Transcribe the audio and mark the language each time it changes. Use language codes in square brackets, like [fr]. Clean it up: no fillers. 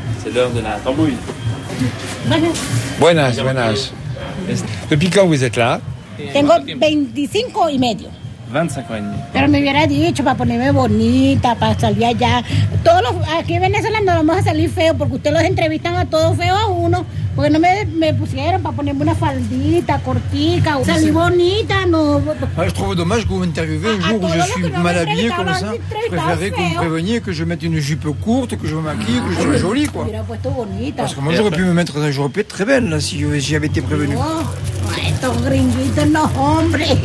[fr] C'est l'heure de la tambouille. [es] Buenas, buenas. [fr] Depuis quand vous êtes là? [es] Tengo 25 y medio. 25 años. Pero me hubiera dicho para ponerme bonita, para salir allá. Todos los aquí en Venezuela no vamos a salir feos, porque ustedes los entrevistan a todos feos a uno, porque no me pusieron para ponerme una faldita cortica. Sí, salí bonita, no. [fr] Ah, je trouve dommage que vous m'interviewez un jour où je suis mal habillée comme ça. Je préférerais que vous preveniez que je mette une jupe courte, que je me maquille, que je sois jolie, quoi. [es] Hubiera puesto bonita. [fr] Parce que moi j'aurais pu me mettre dans une jupe très belle là, si j'avais été prévenue. [es] Estos gringuitos no, hombre.